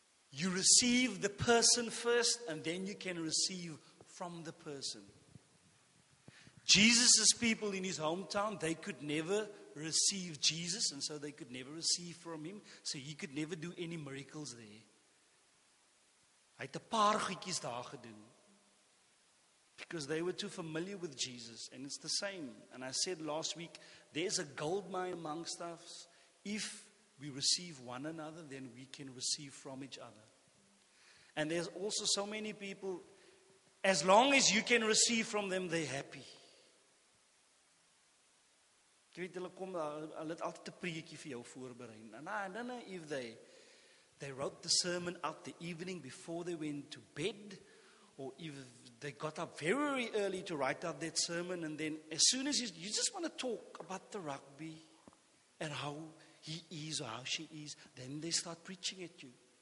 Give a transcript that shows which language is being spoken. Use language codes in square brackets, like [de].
[en] You receive the person first and then you can receive from the person. Jesus' people in his hometown, they could never receive Jesus and so they could never receive from him. So he could never do any miracles there. [af] Hy het 'n paar goedjies daar gedoen. [en] Because they were too familiar with Jesus. And it's the same. And I said last week, there's a gold mine amongst us. If we receive one another, then we can receive from each other. And there's also so many people, as long as you can receive from them, they're happy. [af] Ek weet hulle kom, hulle het altyd 'n preekie vir jou voorberei. [en] No, if they wrote the sermon out the evening before they went to bed, or if they got up very early to write out that sermon, and then as soon as you just want to talk about the rugby and how he is or how she is, then they start preaching at you.